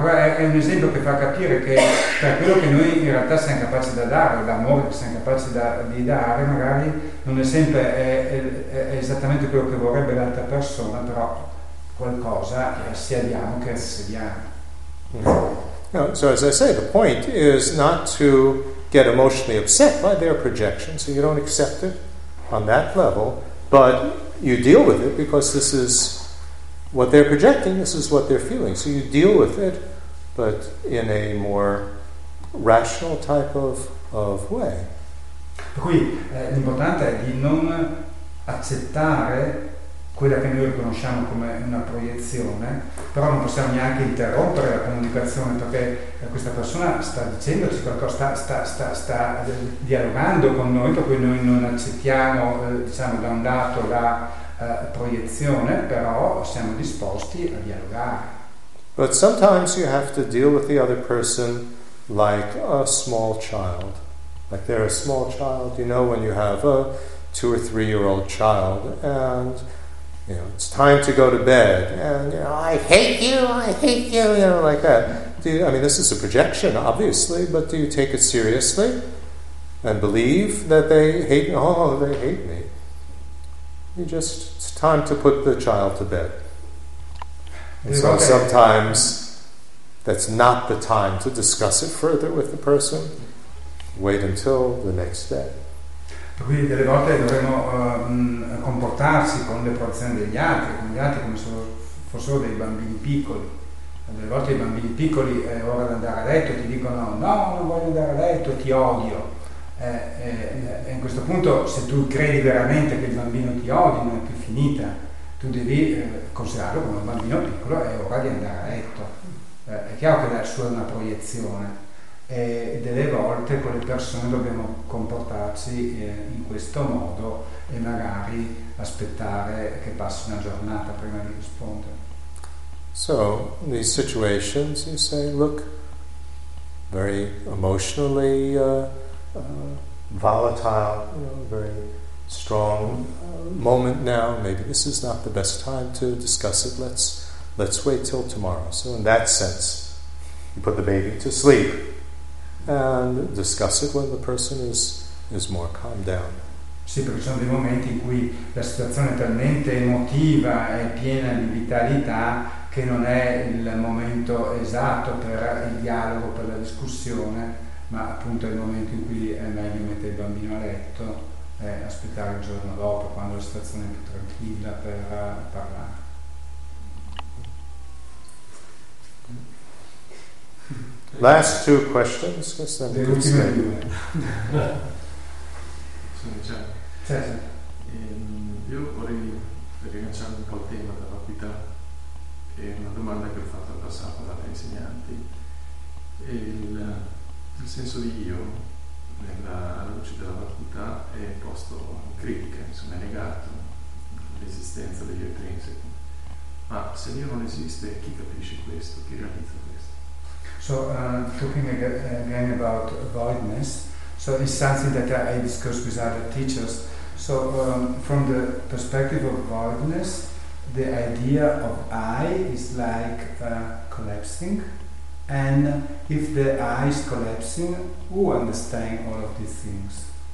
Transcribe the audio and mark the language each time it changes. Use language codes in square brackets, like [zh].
[it] Però è un esempio che fa capire che per quello che noi in realtà siamo capaci da dare, l'amore che siamo capaci di dare, magari non è sempre è esattamente quello che vorrebbe l'altra persona, però qualcosa sia diamo che riceviamo. [en] No, so as I say, the point is not to get emotionally upset by their projection, so you don't accept it on that level, but you deal with it because this is what they're projecting, this is what they're feeling. So you deal with it, but in a more rational type of way. [it] Per cui l'importante è di non accettare quella che noi riconosciamo come una proiezione, però non possiamo neanche interrompere la comunicazione, perché questa persona sta dicendoci qualcosa, sta dialogando con noi, per cui noi non accettiamo, diciamo, da un lato la proiezione, però siamo disposti a dialogare. [en] But sometimes you have to deal with the other person like a small child. Like they're a small child, you know, when you have a 2 or 3 year old child, and you know, it's time to go to bed, and you know, I hate you, you know, like that. This is a projection, obviously, but do you take it seriously and believe that they hate me? Oh, they hate me. It's time to put the child to bed. And so sometimes that's not the time to discuss it further with the person. Wait until the next day. [it] Per cui delle volte dovremmo comportarsi con le proiezioni degli altri, con gli altri come se fossero dei bambini piccoli. Delle volte i bambini piccoli è ora di andare a letto, ti dicono no, non voglio andare a letto, ti odio. E in questo punto se tu credi veramente che il bambino ti odia, non è più finita, tu devi considerarlo come un bambino piccolo, è ora di andare a letto. È chiaro che la sua è una proiezione. E delle volte con le persone dobbiamo comportarci in questo modo e magari aspettare che passi una giornata prima di rispondere. [en] So, in these situations you say, look, very emotionally volatile, you know, very strong moment now, maybe this is not the best time to discuss it, let's wait till tomorrow. So in that sense, you put the baby to sleep and discuss it when the person is more calmed down. [it] Sì, perché ci sono dei momenti in cui la situazione è talmente emotiva e piena di vitalità che non è il momento esatto per il dialogo, per la discussione, ma appunto è il momento in cui è meglio mettere il bambino a letto e aspettare il giorno dopo, quando la situazione è più tranquilla, per parlare. [en] Last two questions, because then we'll see. Sorry, Chad. [it] Io vorrei rilanciare un po' il tema della vacuità, è una domanda che ho fatto al passato dalle insegnanti. Il senso di io, nella luce della vacuità, è posto in critica, insomma, è negato l'esistenza degli intrinseci. Ma se l'io non esiste, chi capisce questo? Chi realizza questo? [en] So talking again about voidness, so it's something that I discussed with other teachers. So from the perspective of voidness, the idea of I is like collapsing, and if the I is collapsing, who understands all of these things?